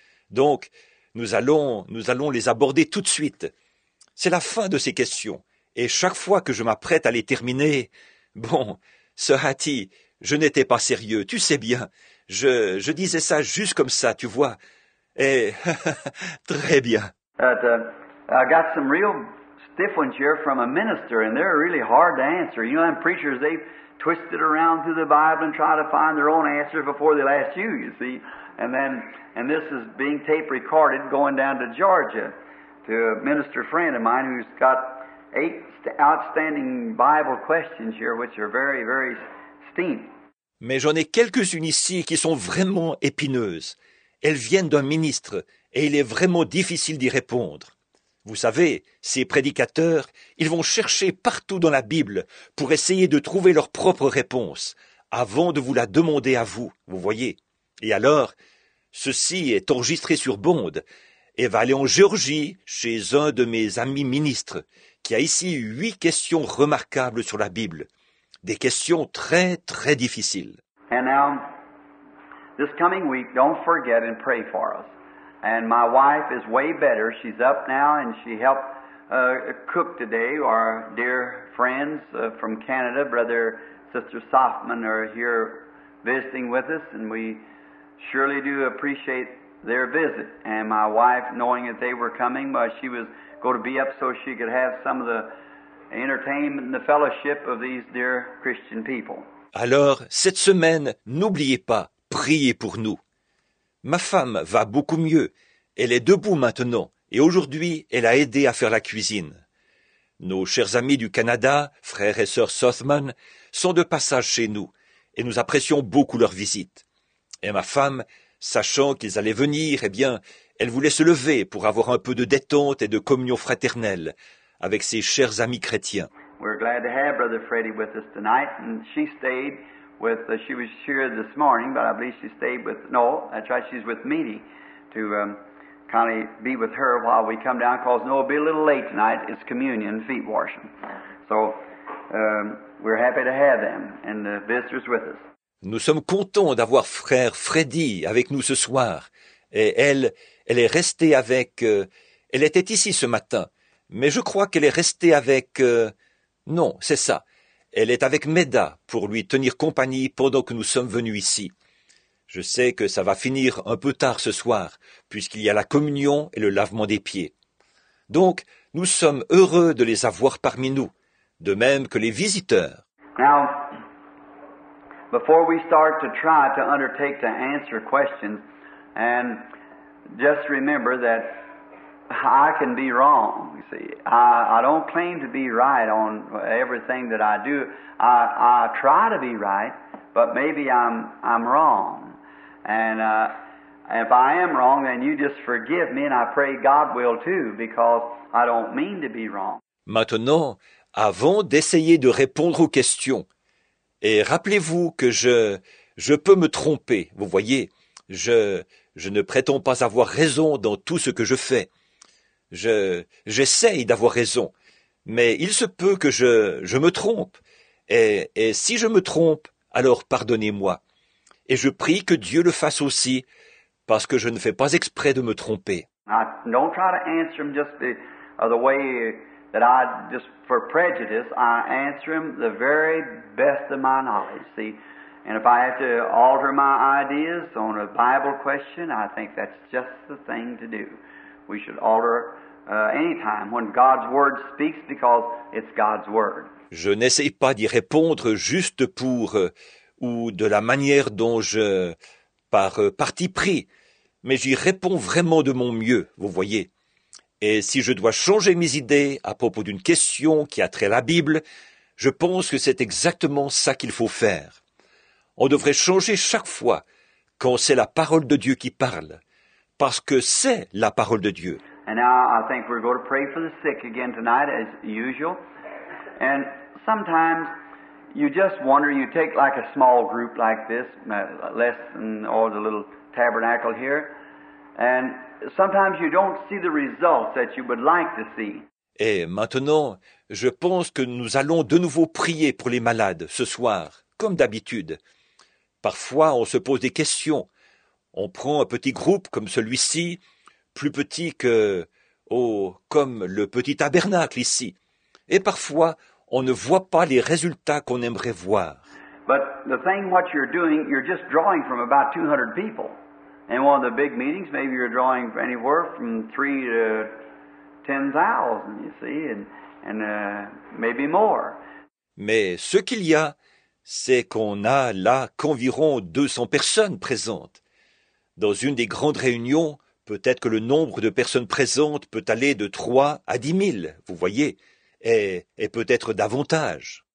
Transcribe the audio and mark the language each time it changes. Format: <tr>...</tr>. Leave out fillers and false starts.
<fr>Donc, nous allons les aborder tout de suite. C'est la fin de ces questions. Et chaque fois que je m'apprête à les terminer, bon, Sir Hattie, je n'étais pas sérieux, tu sais bien. Je disais ça juste comme ça, tu vois. Et très bien.</fr> <en>I got some real stiff ones here from a minister, and they're really hard to answer. You know, them preachers, they twist it around through the Bible and try to find their own answer before they'll ask you, you see. And this is being tape recorded going down to Georgia to a minister friend of mine who's got 8 outstanding Bible questions here, which are very, very steep.</en> <fr>Mais j'en ai quelques-unes ici qui sont vraiment épineuses. Elles viennent d'un ministre et il est vraiment difficile d'y répondre. Vous savez, ces prédicateurs, ils vont chercher partout dans la Bible pour essayer de trouver leur propre réponse avant de vous la demander à vous, vous voyez. Et alors, ceci est enregistré sur bande et va aller en Géorgie chez un de mes amis ministres qui a ici 8 questions remarquables sur la Bible. Des questions très, très difficiles.</fr> <en>And now, this coming week, don't forget and pray for us. And my wife is way better. She's up now and she helped cook today. Our dear friends from Canada, Brother Sister Softman, are here visiting with us, and we surely do appreciate their visit. And my wife, knowing that they were coming, well, she was going to be up so she could have some of the entertainment and the fellowship of these dear Christian people.</en> <fr>Alors, cette semaine, n'oubliez pas, priez pour nous. Ma femme va beaucoup mieux. Elle est debout maintenant et aujourd'hui, elle a aidé à faire la cuisine. Nos chers amis du Canada, frères et sœurs Southman, sont de passage chez nous et nous apprécions beaucoup leur visite. Et ma femme, sachant qu'ils allaient venir, eh bien, elle voulait se lever pour avoir un peu de détente et de communion fraternelle avec ses chers amis chrétiens.</fr> <en>We're glad to have Brother Freddie with us tonight, and she stayed. With she was here this morning, but I believe she stayed with no. That's right, she's with Meany to kind of be with her while we come down. Cause Noah will be a little late tonight. It's communion, feet washing. So we're happy to have them and the visitors with us.</en> <fr>Nous sommes contents d'avoir frère Freddy avec nous ce soir. Et elle est restée avec. Elle était ici ce matin, mais je crois qu'elle est restée avec. Non, c'est ça. Elle est avec Meda pour lui tenir compagnie pendant que nous sommes venus ici. Je sais que ça va finir un peu tard ce soir, puisqu'il y a la communion et le lavement des pieds. Donc, nous sommes heureux de les avoir parmi nous, de même que les visiteurs.</fr> <en>Now, before we start to try to undertake to answer questions, and just remember that I can be wrong, you see. I don't claim to be right on everything that I do. I try to be right, but maybe I'm wrong. And if I am wrong, then you just forgive me, and I pray God will too, because I don't mean to be wrong.</en> <fr>Maintenant, avant d'essayer de répondre aux questions, et rappelez-vous que je peux me tromper, vous voyez. Je ne prétends pas avoir raison dans tout ce que je fais. J'essaye d'avoir raison, mais il se peut que je me trompe. Et si je me trompe, alors pardonnez-moi. Et je prie que Dieu le fasse aussi, parce que je ne fais pas exprès de me tromper.</fr> <en>I don't try to answer him just the way that I just for prejudice. I answer him the very best of my knowledge. See, and if I have to alter my ideas on a Bible question, I think that's just the thing to do. We should alter any time when God's word speaks because it's God's word.</en> <fr>Je n'essaie pas d'y répondre juste pour ou de la manière dont je par parti pris, mais j'y réponds vraiment de mon mieux, vous voyez. Et si je dois changer mes idées à propos d'une question qui a trait la Bible, je pense que c'est exactement ça qu'il faut faire. On devrait changer chaque fois quand c'est la parole de Dieu qui parle. Parce que c'est la parole de Dieu.</fr> <en>And now I think we're going to pray for the sick again tonight, as usual. And sometimes you just wonder, you take like a small group like this, less than all the little tabernacle here, and sometimes you don't see the results that you would like to see.</en> <fr>Et maintenant, je pense que nous allons de nouveau prier pour les malades ce soir, comme d'habitude. Parfois, on se pose des questions. On prend un petit groupe comme celui-ci, plus petit que, comme le petit tabernacle ici. Et parfois, on ne voit pas les résultats qu'on aimerait voir.</fr> <en>But the thing, what you're doing, you're just drawing from about 200 people. In one of the big meetings, maybe you're drawing anywhere from 3 to 10,000, you see, and maybe more.</en> <fr>Mais ce qu'il y a, c'est qu'on a là qu'environ 200 personnes présentes. Dans une des grandes réunions, peut-être que le nombre de personnes présentes peut aller de 3 à 10 000, vous voyez, et peut-être davantage.</fr>